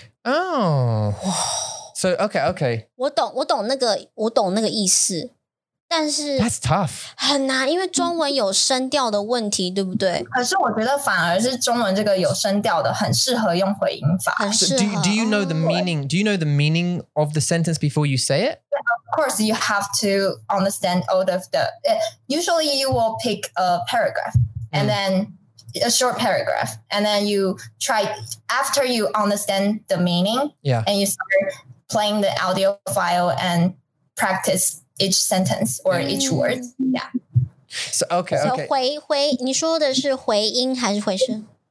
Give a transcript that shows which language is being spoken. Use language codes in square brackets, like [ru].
[en] Oh, so okay, okay. [zh] 我懂那个意思，但是 [en] That's tough. [zh] 很难，因为中文有声调的问题，对不对？可是我觉得反而是中文这个有声调的很适合用回音法。 [en] Do you know the meaning? Do you know the meaning of the sentence before you say it? Of course, you have to understand all of the... usually, you will pick a paragraph, and then a short paragraph, and then you try... After you understand the meaning, and you start playing the audio file and practice each sentence or each word. Yeah. So, okay, okay. [zh] So, 回你说的是回音还是回声？